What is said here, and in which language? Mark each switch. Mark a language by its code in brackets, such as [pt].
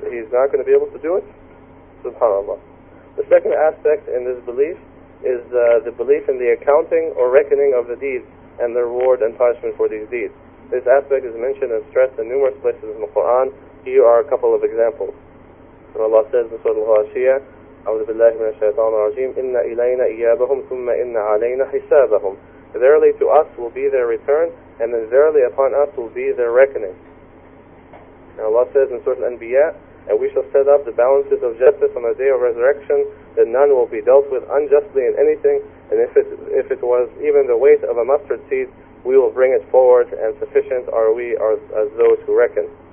[en] He's not going to be able to do it? SubhanAllah. The second aspect in this belief is the belief in the accounting or reckoning of the deeds and the reward and punishment for these deeds. This aspect is mentioned and stressed in numerous places in the Quran. Here are a couple of examples. So Allah says in Surah Al-Ghashiyah, [ar] أَعُوذُ بِاللَّهِ مِنَ الشَّيْطَانِ الرَّجِيمِ إِنَّ إِلَيْنَا إِيَابَهُمْ ثُمَّ إِنَّ عَلَيْنَا حِسَابَهُمْ. [en] Verily to us will be their return, and then verily upon us will be their reckoning. Now Allah says in Surah Al-Anbiya, and we shall set up the balances of justice on the day of resurrection, that none will be dealt with unjustly in anything, and if it was even the weight of a mustard seed, we will bring it forward, and sufficient are we as those who reckon.